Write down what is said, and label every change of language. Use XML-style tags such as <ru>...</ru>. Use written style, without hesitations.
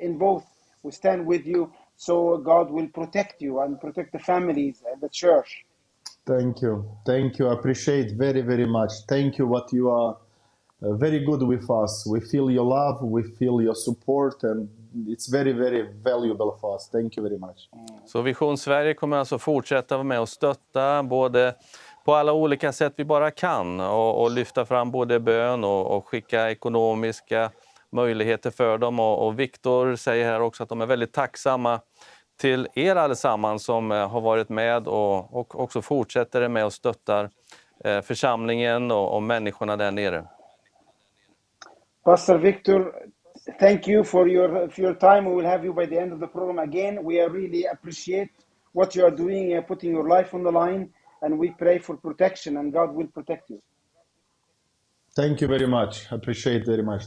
<en>In both we stand with you, so God will protect you and protect the families and the church. Thank you, I appreciate very, very much. Thank you what you are very good with us. We feel your love, we feel your support, and it's very, very valuable for us. Thank you very much.</en> <sv>Så Vision Sverige kommer alltså fortsätta vara med och stötta både på alla olika sätt vi bara kan och lyfta fram både bön och skicka ekonomiska möjligheter för dem. Och Viktor säger här också att de är väldigt tacksamma till er allesammans som har varit med och också fortsätter med och stöttar församlingen och människorna där nere.</sv> <en>Pastor Viktor, thank you for your time. We will have you by the end of the program again. We really appreciate what you are doing and putting your life on the line. And we pray for protection, and God will protect you. Thank you very much. I appreciate it very much.</en>